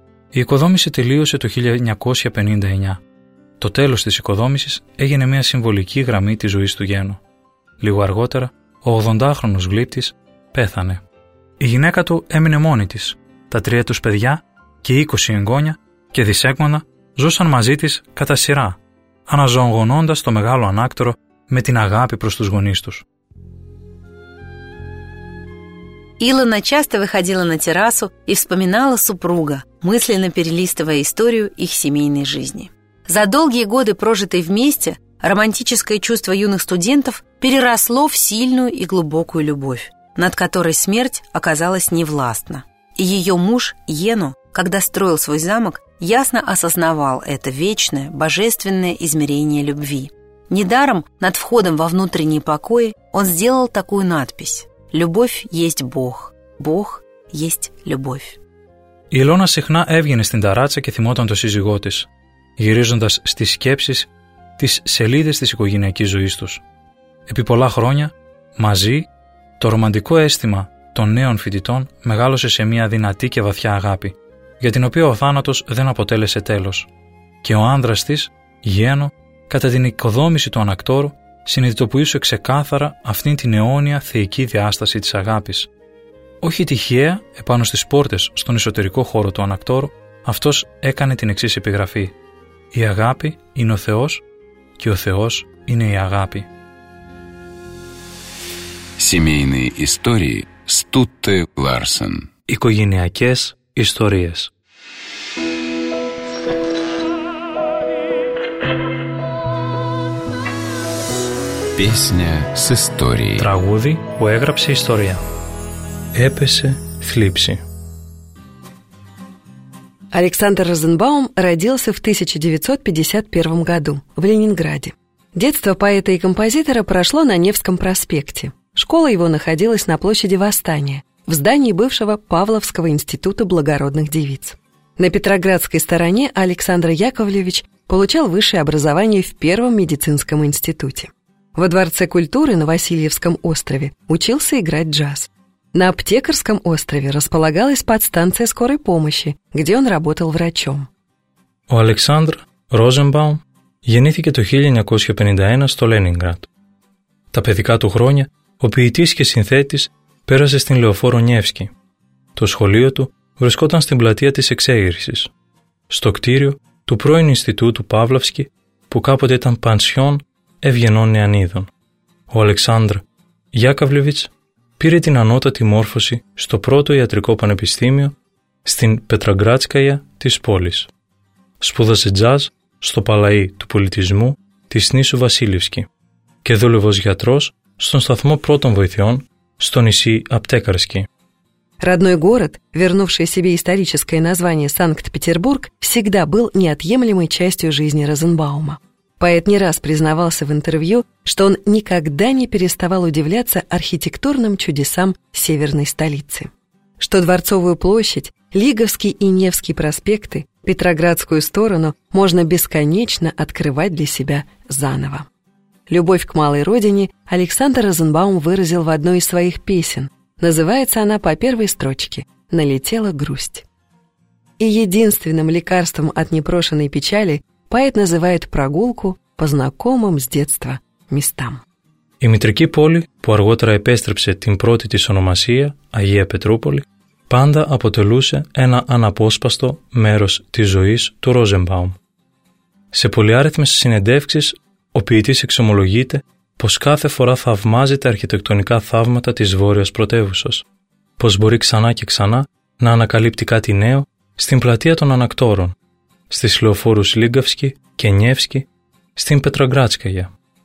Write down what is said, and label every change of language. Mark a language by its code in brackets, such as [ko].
[el] Η οικοδόμηση τελείωσε το 1959. Το τέλος της οικοδόμησης έγινε μια συμβολική γραμμή της ζωής του Γένου. Λίγο αργότερα, ο 80χρονος γλύπτης πέθανε. Η γυναίκα του έμεινε μόνη της. Τα τρία τους παιδιά και 20 εγγόνια και δυσέγγωνα ζούσαν μαζί της κατά σειρά, αναζωογονώντας το μεγάλο ανάκτορο με την αγάπη προς τους γονείς τους. [ru] Илона часто выходила на террасу и вспоминала супруга, мысленно перелистывая историю их семейной жизни. За долгие годы, прожитые вместе, романтическое чувство юных студентов переросло в сильную и глубокую любовь, над которой смерть оказалась невластна. И ее муж Йену, когда строил свой замок, ясно осознавал это вечное, божественное измерение любви. Недаром над входом во внутренние покои он сделал такую надпись: «Любовь есть Бог, Бог есть любовь». [el] Η Ιλώνα συχνά έβγαινε στην ταράτσα και θυμόταν τον σύζυγό της, γυρίζοντας στις σκέψεις τις σελίδες της οικογενειακής ζωής τους. Επί πολλά χρόνια, μαζί, το ρομαντικό αίσθημα των νέων φοιτητών μεγάλωσε σε μια δυνατή και βαθιά αγάπη, για την οποία ο θάνατος δεν αποτέλεσε τέλος. Και ο άνδρας της, Γιένο, κατά την οικοδόμηση του ανακτόρου, συνειδητοποιούσε ξεκάθαρα αυτήν την αιώνια θεϊκή διάσταση της αγάπης. Όχι τυχαία, επάνω στις πόρτες, στον εσωτερικό χώρο του ανακτόρου, αυτός έκανε την εξής επιγραφή: «Η αγάπη είναι ο Θεός και ο Θεός είναι η αγάπη». [ru] Семейные истории Стутте Ларсен. [el] Οικογενειακές ιστορίες. [ru] Песня с историей. [el] Τραγούδι που έγραψε ιστορία. Эпесе Флипси. [ru] Александр Розенбаум родился в 1951 году в Ленинграде. Детство поэта и композитора прошло на Невском проспекте. Школа его находилась на площади Восстания, в здании бывшего Павловского института благородных девиц. На Петроградской стороне Александр Яковлевич получал высшее образование в Первом медицинском институте. Во Дворце культуры на Васильевском острове учился играть джаз. На Аптекарском острове располагалась подстанция скорой помощи, где он работал врачом. [el] Ο Александр Розенбаум γεννήθηκε το 1951 στο Λένιγκραντ. Τα παιδικά του χρόνια ο ποιητής και συνθέτης πέρασε στην Λεωφόρο Νιεύσκη. Το σχολείο του βρισκόταν στην πλατεία της Εξέγερσης, στο κτίριο του πρώην Ινστιτούτου Παύλαυσκη, που κάποτε ήταν πανσιόν ευγενών νεανίδων. Ο Αλεξάνδρ Γιάκαβλεβιτς πήρε την ανώτατη μόρφωση στο πρώτο ιατρικό πανεπιστήμιο στην Πετραγκράτσκαια της πόλης. Σπούδασε τζαζ στο Παλαΐ του Πολιτισμού της Νήσου Βασίλευσκη και δούλευε ως γιατρός στον σταθμό πρώτων βοηθειών στο νησί Απτέκαρσκι. [ru] Родной город, вернувший себе историческое название Санкт-Петербург, всегда был неотъемлемой частью жизни Розенбаума. Поэт не раз признавался в интервью, что он никогда не переставал удивляться архитектурным чудесам северной столицы. Что Дворцовую площадь, Лиговский и Невский проспекты, Петроградскую сторону можно бесконечно открывать для себя заново. Любовь к малой родине Александр Розенбаум выразил в одной из своих песен. Называется она по первой строчке «Налетела грусть». И единственным лекарством от непрошенной печали поэт называет прогулку по знакомым с детства местам. [el] Η μητρική πόλη, που αργότερα επέστρεψε την πρώτη της ονομασία, Αγία Πετρούπολη, πάντα αποτελούσε ένα αναπόσπαστο μέρος της ζωής του Ρόζενμπαουμ. Σε πολυάριθμες συνεντεύξεις, ο ποιητής εξομολογείται πως κάθε φορά θαυμάζει τα αρχιτεκτονικά θαύματα της Βόρειας Πρωτεύουσας, πως μπορεί ξανά και ξανά να ανακαλύπτει κάτι νέο στην πλατεία των Ανακτόρων, στις λεωφόρους Λίγκαυσκη και Νιεύσκη, στην Πετραγκράτσκαγια.